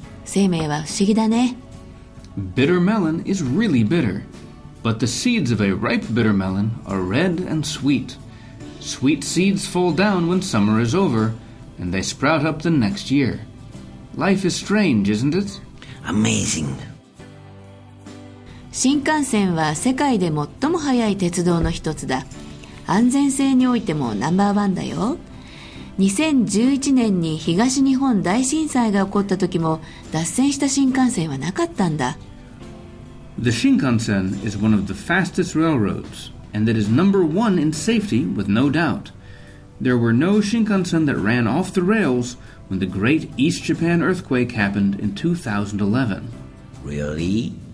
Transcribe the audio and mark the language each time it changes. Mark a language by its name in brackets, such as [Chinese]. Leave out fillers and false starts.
[Japanese] 生命は不思議だね。 [English] Bitter melon is really bitter. But the seeds of a ripe bitter melon are red and sweet. Sweet seeds fall down when summer is over, and they sprout up the next year. Life is strange, isn't it? Amazing. [Japanese] 新幹線は世界で最も速い鉄道の一つだ。安全性においてもナンバーワンだよ。2011年に東日本大震災が起こった時も脱線した新幹線はなかったんだ。 [English] The Shinkansen is one of the fastest railroads, and it is number one in safety with no doubt. There were no Shinkansen that ran off the rails when the great East Japan earthquake happened in 2011. Really?